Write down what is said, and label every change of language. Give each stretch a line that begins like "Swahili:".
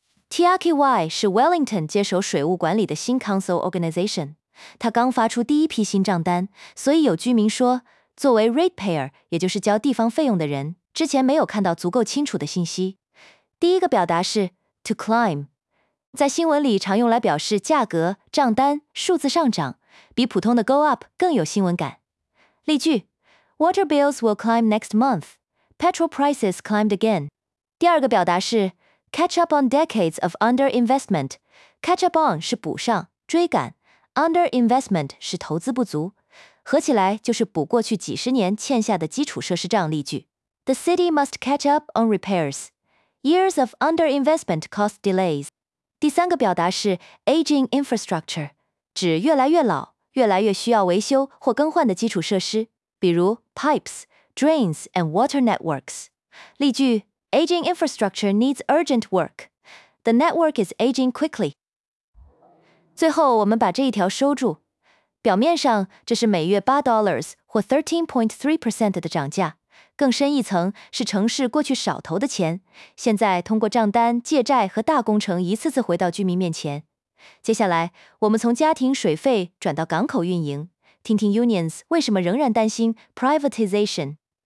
Chinese: Tiaki Way 是 Wellington 接手水务管理的新 Council Organization， 他刚发出第一批新账单，所以有居民说，作为 ratepayer， 也就是交地方费用的人，之前没有看到足够清楚的信息。第一个表达是
English: to climb，
Chinese: 在新闻里常用来表示价格、账单、数字上涨，比普通的
English: go up
Chinese: 更有新闻感。例句：
English: Water bills will climb next month. Petrol prices climbed again.
Chinese: 第二个表达是
English: catch up on decades of under investment. Catch up on
Chinese: 是补上、追赶，
English: under investment
Chinese: 是投资不足，合起来就是补过去几十年欠下的基础设施账。例句：
English: The city must catch up on repairs. Years of under investment caused delays.
Chinese: 第三个表达是
English: aging infrastructure，
Chinese: 指越来越老、越来越需要维修或更换的基础设施，比如
English: pipes, drains, and water networks。
Chinese: 例句：
English: Aging infrastructure needs urgent work. The network is aging quickly.
Chinese: 最后，我们把这一条收住。表面上，这是每月$8或 13.3% 的涨价，更深一层是城市过去少投的钱，现在通过账单、借债和大工程一次次回到居民面前。接下来，我们从家庭水费转到港口运营，听听 unions 为什么仍然担心 privatization。